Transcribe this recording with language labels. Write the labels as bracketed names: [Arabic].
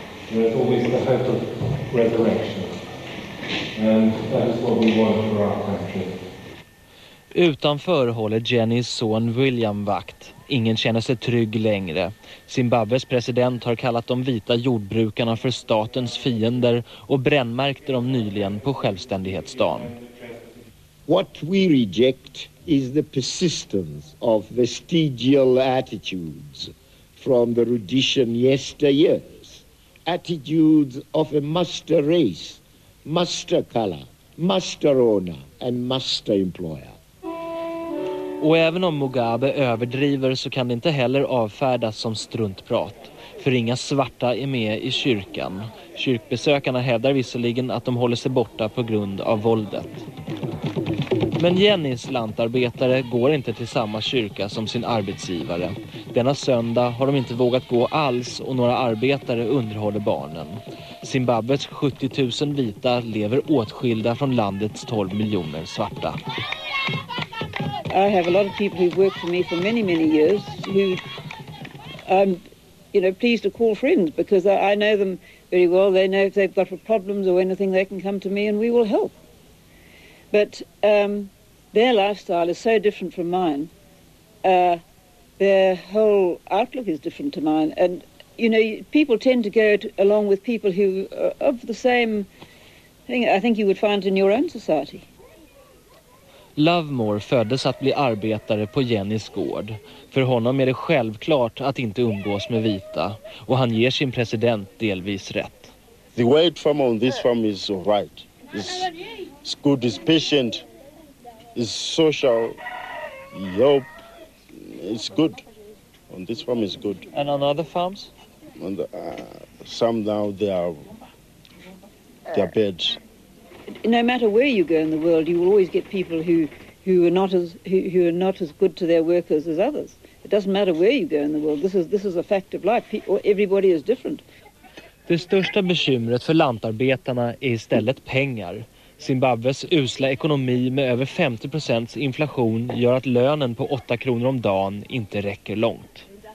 [English] There's always the hope of resurrection, and that is what we want for our country. [Swedish] Utanför håller Jennys son William vakt. Ingen känner sig trygg längre. Zimbabwes president har kallat de vita jordbrukarna för statens fiender och brännmärkte dem nyligen på självständighetsdagen. [English] What we reject is the persistence of vestigial attitudes from the Rhodesian yesteryear. Attitudes of a master race, master color, master owner and master employer. [Swedish] Och även om Mugabe överdriver så kan det inte heller avfärdas som struntprat. För inga svarta är med i kyrkan. Kyrkbesökarna hävdar visserligen att de håller sig borta på grund av våldet. Men Jennys lantarbetare går inte till samma kyrka som sin arbetsgivare. Denna söndag har de inte vågat gå alls och några arbetare underhåller barnen. Zimbabwes 70 000 vita lever åtskilda från landets 12 miljoner svarta. [English] I have a lot of people who've worked for me for many, many years who I'm, you know, pleased to call friends because I know them very well. They know if they've got problems or anything they can come to me and we will help. But their lifestyle is so different from mine. Their whole outlook is different to mine. And, you know, people tend to go along with people who are of the same thing I think you would find in your own society. [Swedish] Lovemore föddes att bli arbetare på Jennys gård. För honom är det självklart att inte umgås med vita. Och han ger sin president delvis rätt. [English] The way it from on this farm is right. It's good, it's patient, is social help. It's good. On this farm is good. And on other farms? And some now they are bad. No matter where you go in the world, you will always get people who are not as good to their workers as others. It doesn't matter where you go in the world. This is a fact of life. Everybody is different. [Swedish] Det största bekymret för lantarbetarna är istället pengar. Zimbabwes usla ekonomi med över 50% inflation gör att lönen på 8 kronor om dagen inte räcker långt.